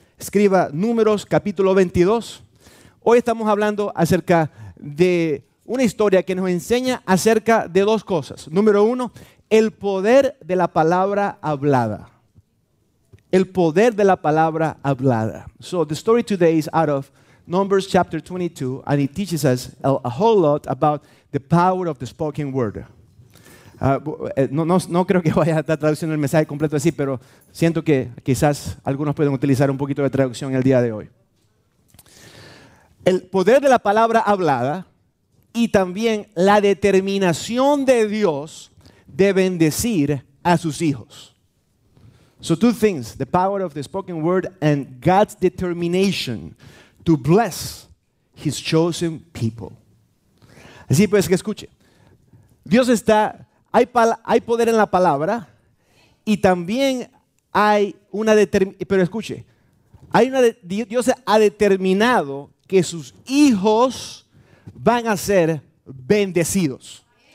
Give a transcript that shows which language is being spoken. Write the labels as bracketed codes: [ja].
[es] Escriba Números capítulo 22. Hoy estamos hablando acerca de una historia que nos enseña acerca de dos cosas. Número uno, el poder de la palabra hablada. El poder de la palabra hablada. [en] So the story today is out of Numbers chapter 22, and it teaches us a whole lot about the power of the spoken word. [es] No creo que vaya a estar traduciendo el mensaje completo así, pero siento que quizás algunos pueden utilizar un poquito de traducción el día de hoy. El poder de la palabra hablada y también la determinación de Dios de bendecir a sus hijos. [en] So two things, the power of the spoken word and God's determination to bless his chosen people. [es] Así pues que escuche, Dios está, hay poder en la palabra y también hay una determinación, pero escuche, Dios ha determinado que sus hijos van a ser bendecidos.